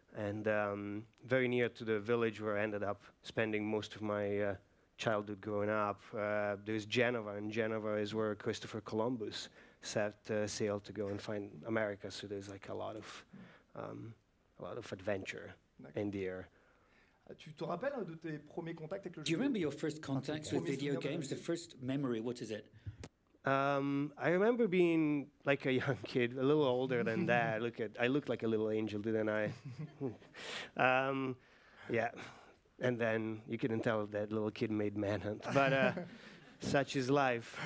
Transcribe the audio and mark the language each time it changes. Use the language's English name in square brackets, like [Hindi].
[English] And very near to the village where I ended up spending most of my childhood growing up, there's Genova, and Genova is where Christopher Columbus set sail to go and find America. So there's like a lot of adventure in the air. [French] Tu te rappelles de tes premiers contacts avec le jeu? [English] Do you remember your first contacts with video games? The first memory, what is it? I remember being like a young kid, a little older than that. I looked like a little angel, didn't I? yeah. And then you couldn't tell that little kid made Manhunt. But such is life.